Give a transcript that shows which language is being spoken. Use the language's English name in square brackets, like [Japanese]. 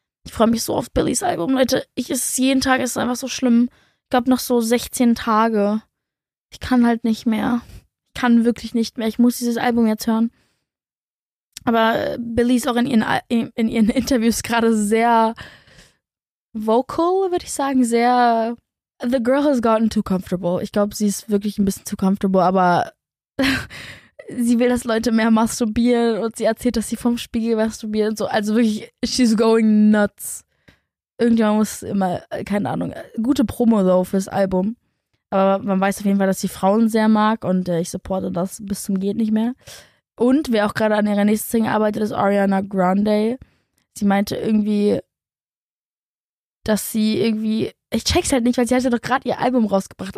[German] Ich freue mich so auf Billies Album, Leute. Ich, ist jeden Tag, ist einfach so schlimm. Ich glaube, noch so 16 Tage. Ich kann halt nicht mehr. Ich kann wirklich nicht mehr. Ich muss dieses Album jetzt hören. Aber Billie ist auch in ihren Interviews gerade sehr vocal, würde ich sagen. Sehr, [English] the girl has gotten too comfortable. [German] Ich glaube, sie ist wirklich ein bisschen [English] too comfortable, [German] aber sie will, dass Leute mehr masturbieren und sie erzählt, dass sie vom Spiegel masturbiert und so. Also wirklich, [English] she's going nuts. [German] Irgendjemand muss immer, keine Ahnung, gute Promo though fürs Album. Aber man weiß auf jeden Fall, dass sie Frauen sehr mag und ich supporte das bis zum geht nicht mehr. Und wer auch gerade an ihrer nächsten Single arbeitet, ist Ariana Grande. Sie meinte irgendwie, dass sie irgendwie, ich check's halt nicht, weil sie hat ja doch gerade ihr Album rausgebracht.